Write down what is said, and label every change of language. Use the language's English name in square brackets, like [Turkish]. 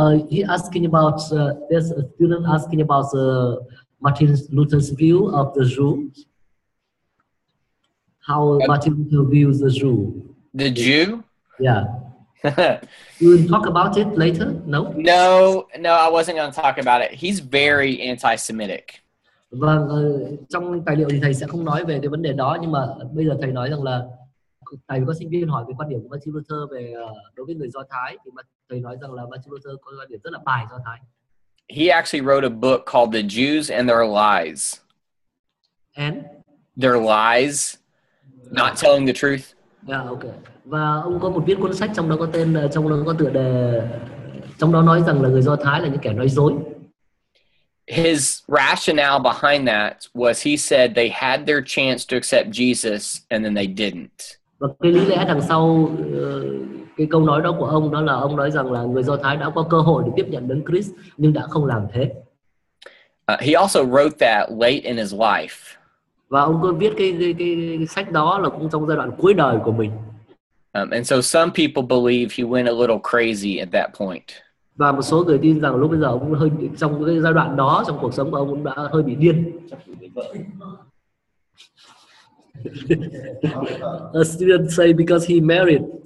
[English] He asking about there's a student asking about Martin Luther's view of the Jew. How Martin Luther views the Jew? The Jew? Yeah. You will talk about it later? No. No, no, I wasn't going to talk about it. He's very anti-Semitic. [Vietnamese] Vâng, trong tài liệu thì thầy sẽ không nói về cái vấn đề đó, nhưng mà bây giờ thầy nói rằng là tại vì có sinh viên hỏi về quan điểm của Martin Luther về đối với người Do Thái, thì thầy nói rằng là Martin Luther có quan điểm rất là bài Do Thái. [English] He actually wrote a book called The Jews and Their Lies. And? Their Lies, not telling the truth. Yeah, okay. [Vietnamese] Và ông có một viết cuốn sách trong đó có tên, trong đó có tựa đề, trong đó nói rằng là người Do Thái là những kẻ nói dối. [English] His rationale behind that was he said they had their chance to accept Jesus and then they didn't. [Vietnamese] Và cái lý lẽ đằng sau cái câu nói đó của ông đó là ông nói rằng là người Do Thái đã có cơ hội để tiếp nhận Đấng Christ nhưng đã không làm thế. [English] He also wrote that late in his life. [Vietnamese] Và ông có viết cái sách đó là cũng trong giai đoạn cuối đời của mình. [English] And so some people believe he went a little crazy at that point. [Vietnamese] Và một số người tin rằng lúc bây giờ ông hơi trong cái giai đoạn đó trong cuộc sống của ông cũng đã hơi bị điên. [English] A student say because he married.